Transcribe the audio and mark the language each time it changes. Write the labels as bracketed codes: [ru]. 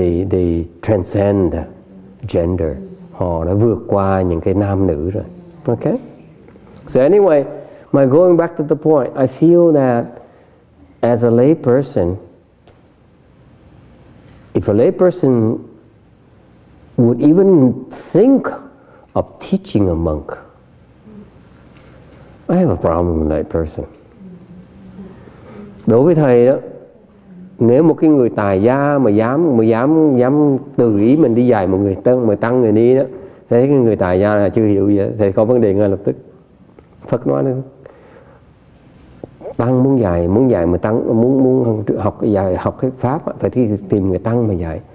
[en] They transcend gender. [vi] Họ đã vượt qua những cái nam nữ rồi. [en] Okay? So anyway, my going back to the point, I feel that as a lay person, if a lay person would even think of teaching a monk, I have a problem with that person. [vi] Đối với thầy đó, nếu một cái người tài gia mà dám tự ý mình đi dạy một người tăng, mà tăng người ni đó, thấy cái người tài gia là chưa hiểu gì đó, thì có vấn đề ngay lập tức. Phật nói là tăng muốn dạy mà tăng muốn học cái pháp đó, phải đi tìm người tăng mà dạy.